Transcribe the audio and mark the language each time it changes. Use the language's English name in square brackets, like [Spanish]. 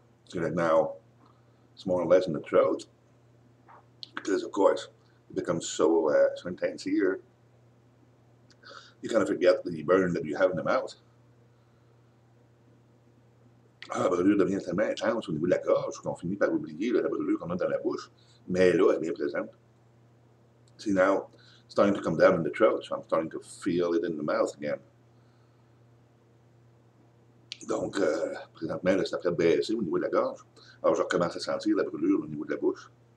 [English] See, like now, it's more or less in the throat. Because, of course, it becomes so intense here. You kind of forget the burn that you have in the mouth. [French] Ah, la brûlure devient tellement intense au niveau de la gorge qu'on finit par oublier la brûlure qu'on a dans la bouche. Mais là, elle est bien présente. [English] See, now, it's starting to come down in the throat, so I'm starting to feel it in the mouth again. [French] Donc, présentement, là, c'est après baisser au niveau de la gorge. Alors, je recommence à sentir la brûlure au niveau de la bouche.